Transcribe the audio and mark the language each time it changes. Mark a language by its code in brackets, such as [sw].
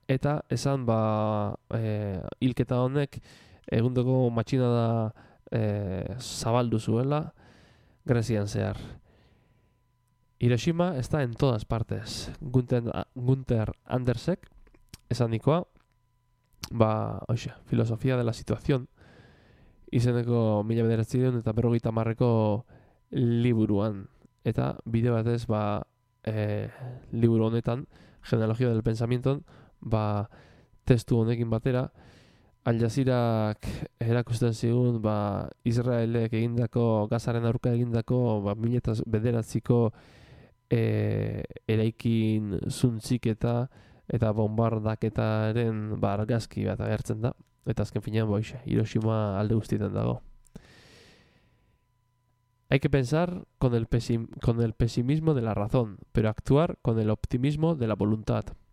[eu] Eta esan ba hilketa honek egundeko matxinada zabaldu zuela Grezian zehar. [es] Hiroshima está en todas partes. [eu] Gunther Andersek esanikoa ba hoxe, filosofia de la situación izeneko 1950-ko liburuan. Eta bide batez ba liburu honetan genealogia del pensamiento ba testu honekin batera Al Jazeerak erakusten zigun ba Israelek egindako Gazaren aurka egindako ba 1909ko eraikin zuntziketa eta bombardaketaren ba argazki bat agertzen da eta azken finean ba hoxe Hiroshima alde guztietan dago. [es] Hay que pensar con el pesimismo de la razón, pero actuar con el optimismo de la voluntad.